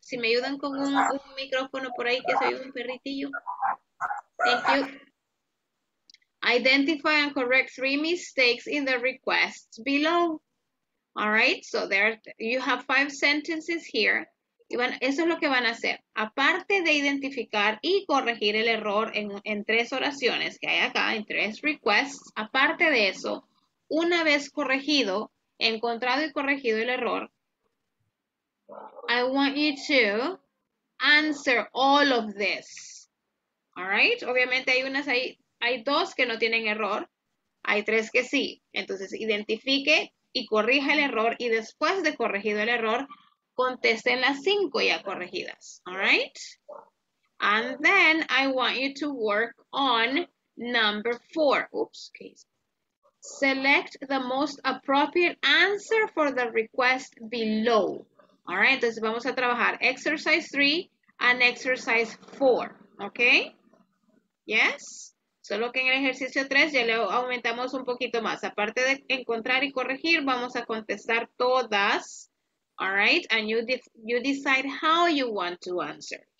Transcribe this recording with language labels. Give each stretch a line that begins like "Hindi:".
Spanish: Si me ayudan con un micrófono por ahí que soy un perritillo.
English: Thank you. Identify and correct three mistakes in the requests below. All right, so there you have five sentences here.
Spanish: Y bueno, eso es lo que van a hacer. Aparte de identificar y corregir el error en tres oraciones que hay acá, en tres requests, aparte de eso, una vez corregido, encontrado y corregido el error,
English: I want you to answer all of this. All right?
Spanish: Obviamente hay unas ahí, hay dos que no tienen error, hay tres que sí. Entonces, identifique y corrija el error y después de corregido el error, contesten las cinco ya corregidas.
English: All right? And then I want you to work on number four. Oops, case. Select the most appropriate answer for the request below. All right,
Spanish: entonces vamos a trabajar
English: exercise 3 and exercise 4, okay? Yes?
Spanish: Solo que en el ejercicio 3 ya le aumentamos un poquito más. Aparte de encontrar y corregir, vamos a contestar todas.
English: All right, and you decide how you want to answer.